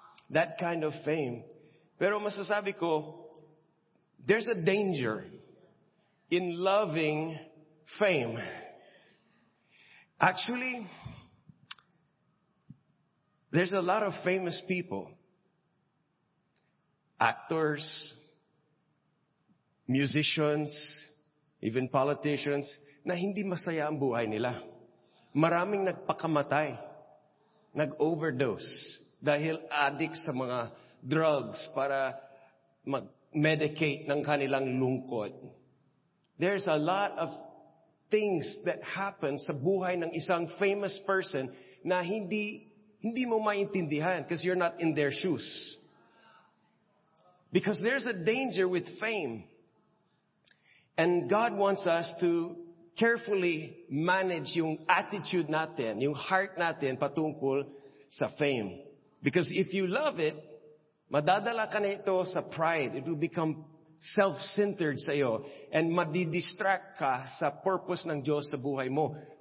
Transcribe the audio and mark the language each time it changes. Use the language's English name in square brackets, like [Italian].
[English] That kind of fame. [Filipino] Pero masasabi ko, [English] there's a danger in loving fame. Actually, There's a lot of famous people, actors, musicians, even politicians, [Filipino] na hindi masaya ang buhay nila. Maraming nagpakamatay, nag-overdose dahil addict sa mga drugs para mag-medicate ng kanilang lungkot. [English] There's a lot of things that happen [Filipino] sa buhay ng isang [English] famous person [Filipino] na hindi mo maintindihan [English] because you're not in their shoes. Because there's a danger with fame. And God wants us to carefully manage yung attitude natin, [Filipino] yung heart natin patungkol sa [English] fame. Because if you love it, [Filipino] madadala ka nito sa pride. [English] It will become self-centered sa'yo. [Filipino] And madidistract ka sa purpose ng Diyos sa buhay mo.